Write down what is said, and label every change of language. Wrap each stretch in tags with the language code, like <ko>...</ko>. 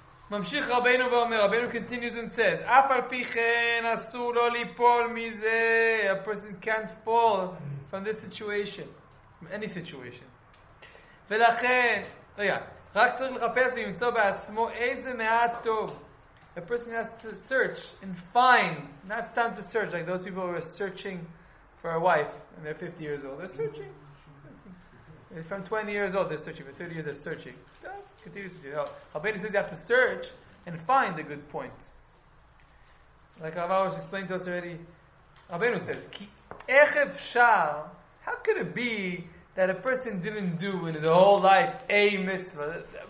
<he>ממשיך רבינו ואומר, רבינו</he> <en>continues and says,</en> <he>אף על פי כן אסור לא ליפול מזה.</he> <en>A person can't fall from this situation. Any situation.</en> <he>ולכן, רגע, רק צריך לחפש ולמצוא בעצמו איזה מעט טוב.</he> <en>A person has to search and find. Not time to search, like those people who are searching for a wife and they're 50 years old. They're searching. From 20 years old, they're searching. For 30 years, they're searching. Continues to do. Rabbeinu says you have to search and find the good point. Like Rav Arush explained to us already, Rabbeinu says, "Ech efshar, how could it be that a person didn't do in his whole life a mitzvah?</en>